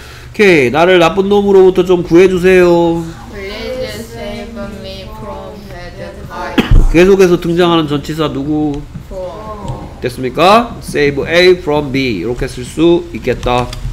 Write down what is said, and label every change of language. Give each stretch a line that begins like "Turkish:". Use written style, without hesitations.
Korean: 오케이, 나를 나쁜 놈으로부터 좀 구해주세요.
English: Please save me from bad guys.
Korean: 계속해서 등장하는 전치사 누구?
English: From.
Korean: 됐습니까?
English: Save A from B
Korean: 이렇게 쓸 수 있겠다.